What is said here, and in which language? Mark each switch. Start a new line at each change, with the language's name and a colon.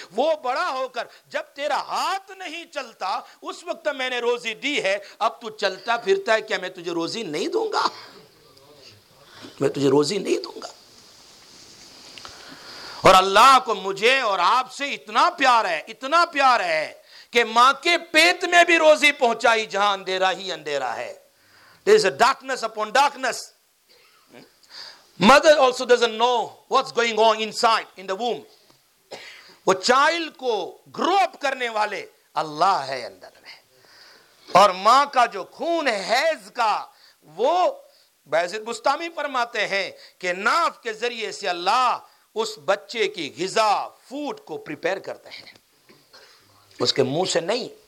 Urdu: وہ بڑا ہو کر جب تیرا ہاتھ نہیں چلتا، اس وقت میں نے روزی دی ہے، اب تو چلتا پھرتا ہے، کیا میں تجھے روزی نہیں دوں گا، میں تجھے روزی نہیں دوں گا. اور اللہ کو مجھے اور آپ سے اتنا پیار ہے، اتنا پیار ہے کہ ماں کے پیٹ میں بھی روزی پہنچائی جہاں اندھیرا ہی اندھیرا ہے.
English: There is a darkness upon darkness. Mother also doesn't know what's going on inside in the womb.
Urdu: وہ چائلڈ کو گرو اپ کرنے والے اللہ ہے اندر میں، اور ماں کا جو خون حیض کا، وہ بیزید بستامی فرماتے ہیں کہ ناف کے ذریعے سے اللہ اس بچے کی غذا فوڈ کو پریپیئر کرتے ہیں، اس کے منہ سے نہیں.